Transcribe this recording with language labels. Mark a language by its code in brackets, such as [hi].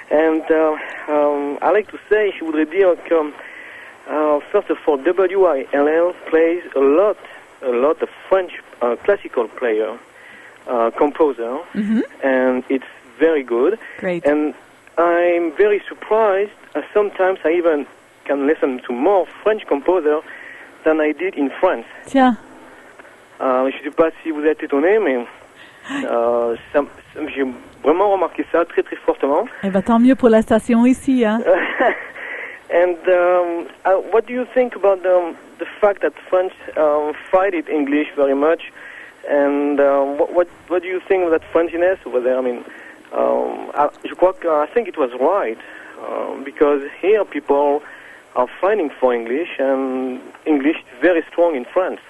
[en] And I like to say, [fr] je voudrais dire que, [en] first of all, WILL plays a lot of French classical player, composer, mm-hmm. and it's very good. Great. And I'm very surprised, sometimes I even can listen to more French composer than I did in France. [fr] Tiens. Je ne sais pas si vous êtes étonné, mais ça, j'ai vraiment remarqué ça très, très fortement. Eh bien, tant mieux pour la station ici, hein. [en] And what do you think about the fact that French fight it English very much? And what do you think of that Frenchiness over there? I mean, I think it was right, because here people are fighting for English, and English is very strong in France.